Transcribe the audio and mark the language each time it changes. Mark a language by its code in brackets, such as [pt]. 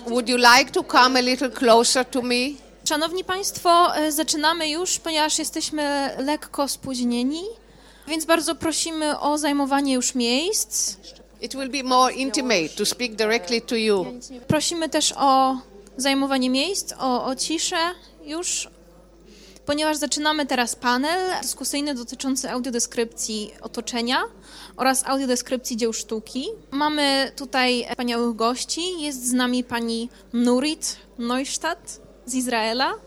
[en] Would you like to come a little closer to me? [pl] Szanowni Państwo, zaczynamy już, ponieważ jesteśmy lekko spóźnieni, więc bardzo prosimy o zajmowanie już miejsc. [en] It will be more intimate to speak directly to you. [pl] Prosimy też o zajmowanie miejsc, o ciszę już, ponieważ zaczynamy teraz panel dyskusyjny dotyczący audiodeskrypcji otoczenia oraz audiodeskrypcji dzieł sztuki. Mamy tutaj wspaniałych gości. Jest z nami pani Nurit Neustadt z Izraela.